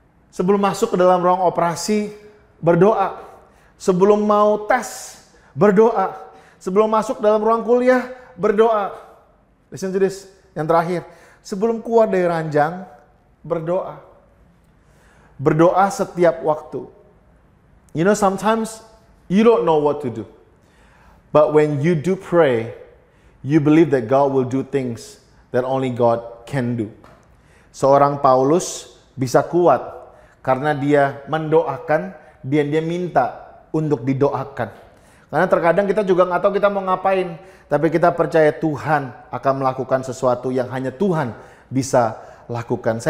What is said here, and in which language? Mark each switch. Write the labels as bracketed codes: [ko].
[id] Sebelum masuk ke dalam ruang operasi, berdoa. Sebelum mau tes, berdoa. Sebelum masuk dalam ruang kuliah, berdoa. Listen to this, yang terakhir. Sebelum keluar dari ranjang, berdoa. Berdoa setiap waktu. [en] You know, sometimes you don't know what to do. But when you do pray, you believe that God will do things that only God can do. [id] Seorang Paulus bisa kuat karena dia mendoakan dan dia minta untuk didoakan. Karena terkadang kita juga gak tahu kita mau ngapain, tapi kita percaya Tuhan akan melakukan sesuatu yang hanya Tuhan bisa lakukan.